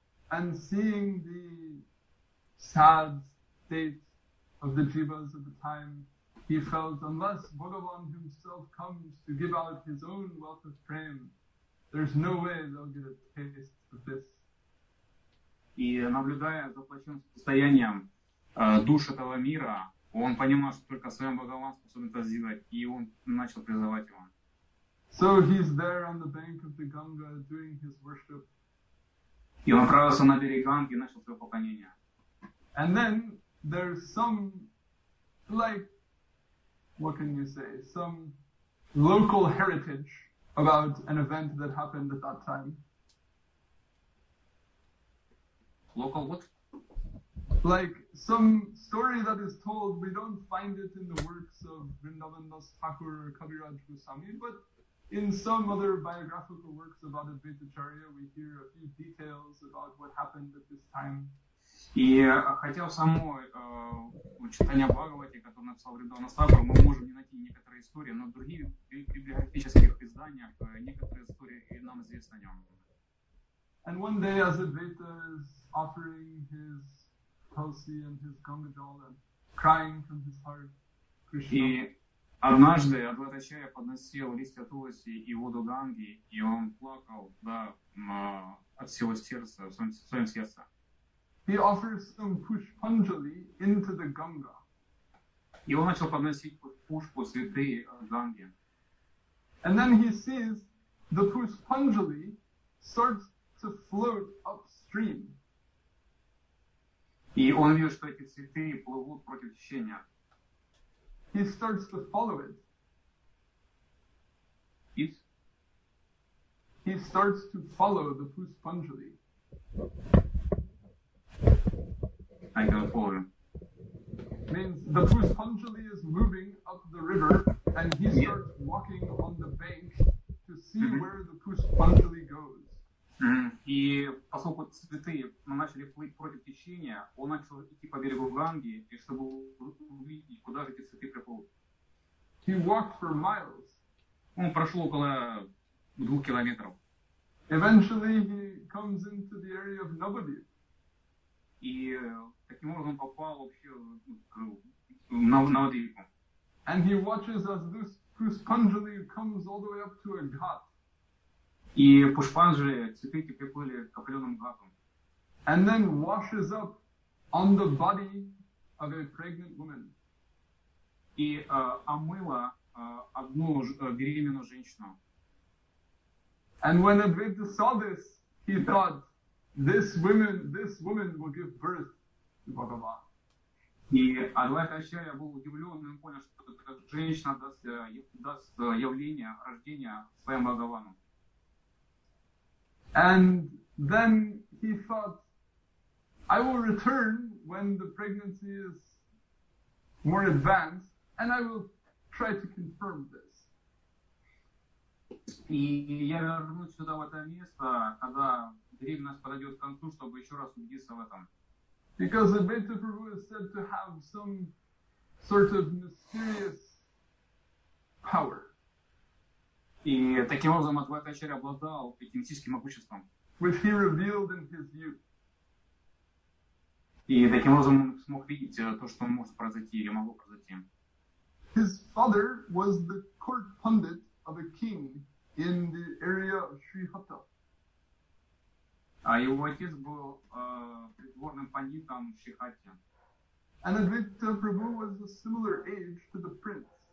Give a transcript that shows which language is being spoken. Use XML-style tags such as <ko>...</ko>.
<en>And seeing the sad state of the jivas at the time, he felt unless Bhagavan himself comes to give out his own wealth of prema, there's no way they'll get a taste of this.</en> <ru>И наблюдая за плачевным состоянием душ этого мира, он понимал, что только своим Бхагаван способен это сделать, и он начал призывать его.</ru> <en>So he's there on the bank of the Ganga doing his worship.</en> <ru>И он отправился на берег Ганги и начал свое поклонение.</ru> <en>And then there's some, like, what can you say, some local heritage about an event that happened at that time. Local what? Like some story that is told, we don't find it in the works of Vrindavan Das Thakur or Kaviraj Goswami, but in some other biographical works about Advaita Acharya, we hear a few details about what happened at this time.</en> <ru>И хотя само читание Бхагавати, которое написал Вриндавана Дас Тхакур, мы можем не найти некоторые истории, но в других библиографических изданиях некоторые истории и нам известны о нем.</ru> <en>And one day, as Advaita is offering his Tulsi and his Gangajal and crying from his heart, Krishna.</en> <ru>И однажды Адвайта Ачарья подносил листья Тулси и воду Ганги, и он плакал, да, от всего сердца, в своем сердце.</ru> <en>He offers some pushpanjali into the Ganga.</en> <ru>И он начал подносить пушпу святые Ганги.</ru> <en>And then he sees the pushpanjali starts to float upstream.</en> <ru>И он видит, что эти цветы плывут против течения.</ru> <en>He starts to follow it. Is? He starts to follow the pushpanjali. I can follow him. Means the pushpanjali is moving up the river and he starts walking on the bank to see where the pushpanjali goes.</en> <ru>И поскольку цветы начали плыть против течения, он начал идти по берегу Ганги, и чтобы увидеть, куда же эти цветы приплыли.</ru> <en>He walked for miles.</en> <ru>Он прошел около двух километров.</ru> <en>Eventually he comes into the area of Novodiv.</en> <ru>И таким образом попал вообще в Новодив.</ru> <en>And he watches as this Pushpanjali comes all the way up to a ghat.</en> <ru>И Пушпанджали цветы приплыли к определенным гхатам.</ru> <en>And then washes up on the body of a pregnant woman.</en> <ru>И омыла одну беременную женщину.</ru> <en>And when Advaita saw this, he thought, this woman will give birth to Bhagavan.</en> <ru>И Адвайта Ачарья был удивлен, и он понял, что эта женщина даст явление, рождение своему Бхагавану.</ru> <en>And then he thought, I will return when the pregnancy is more advanced, and I will try to confirm this.</en> <ru>И я вернусь сюда, в это место, когда беременность подойдет к концу, чтобы еще раз убедиться в этом.</ru> <en>Because Advaita Prabhu is said to have some sort of mysterious power.</en> <ru>И таким образом Адвайта Ачарья обладал этим мистическим могуществом.</ru> <en>Which he revealed in his youth.</en> <ru>И таким образом он смог видеть то, что может произойти или могло произойти.</ru> <en>His father was the court pundit of a king in the area of Srihatta.</en> <ru>А его отец был придворным пандитом в Шихате.</ru> <en>And Advaita Prabhu was a similar age to the prince.</en>